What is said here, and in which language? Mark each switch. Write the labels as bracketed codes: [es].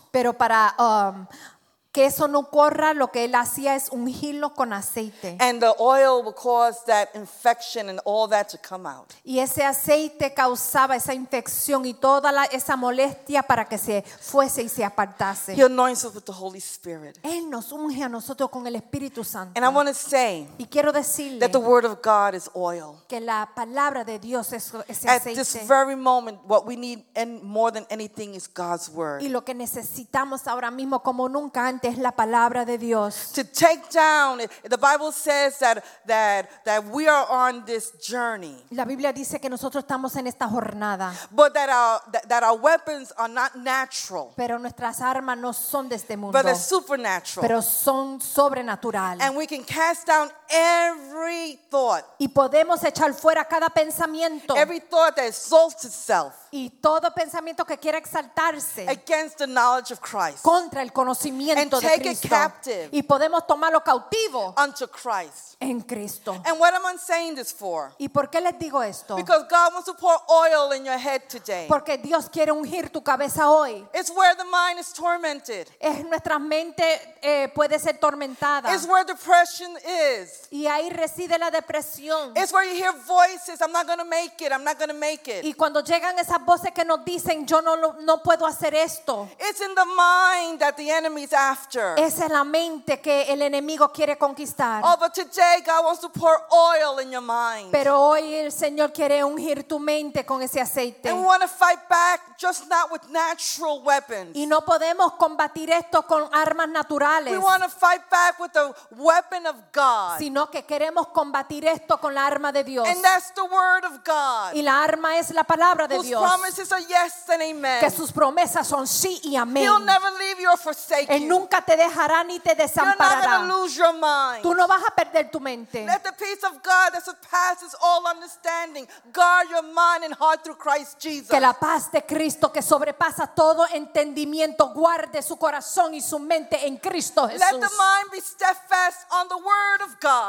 [es] Pero para que eso no ocurra, lo que él hacía es ungirlos con aceite. [en] And the oil would cause that infection and all that to come out. [es] Y ese aceite causaba esa infección y toda esa molestia para que se fuese y se apartase. [en] He anoints us with the Holy Spirit. [es] Él nos unge a nosotros con el Espíritu Santo. [en] And I want to say, [es] y quiero decirle, [en] that the word of God is oil. [es] Que la palabra de Dios es ese [en] At [es] aceite. [en] At this very moment, what we need more than anything is God's word. [es] Y lo que necesitamos ahora mismo como nunca es la palabra de Dios. [en] To take down, the Bible says that we are on this journey. [es] La Biblia dice que nosotros estamos en esta jornada. [en] But that our weapons are not natural. [es] Pero nuestras armas no son de este mundo. [en] But they're supernatural. [es] Pero son sobrenaturales. [en] And we can cast down every thought. [es] Y podemos echar fuera cada pensamiento. [en] Every thought that exalts itself. [es] Y todo pensamiento que quiera exaltarse. [en] Against the knowledge of Christ. [es] Contra el conocimiento. [en] And take it captive. [es] Y podemos tomarlo cautivo. [en] Unto Christ. [es] En Cristo. [en] And what am I saying this for? [es] ¿Y por qué les digo esto? [en] Because God wants to pour oil in your head today. [es] Porque Dios quiere ungir tu cabeza hoy. [en] It's where the mind is tormented. [es] Es nuestra mente puede ser tormentada. [en] It's where depression is. [es] Y ahí reside la depresión. [en] It's where you hear voices, I'm not going to make it, I'm not going to make it. [es] Y cuando llegan esas voces que nos dicen, yo no puedo hacer esto. [en] It's in the mind that the enemy is after. [es] Es en la mente que el enemigo quiere conquistar. [en] Oh, but today God wants to pour oil in your mind. [es] Pero hoy el Señor quiere ungir tu mente con ese aceite. [en] And we want to fight back, just not with natural weapons. [es] Y no podemos combatir esto con armas naturales. [en] We want to fight back with the weapon of God. [es] sino que queremos combatir esto con la arma de Dios. [en] And that's the word of God. [es] Y la arma es la palabra de Dios. [en] Whose promises are yes and amen. [es] Que sus promesas son sí y amén. [en] He'll never leave you or forsake [es] Él nunca te dejará ni te desamparará. [en] You're not gonna lose your mind. [es] Tú no vas a perder tu mente. [en] Let the peace of God that surpasses all understanding guard your mind and heart through Christ Jesus. [es] Que la paz de Cristo que sobrepasa todo entendimiento guarde su corazón y su mente en Cristo Jesús. [en] Let the mind be steadfast on the word of God.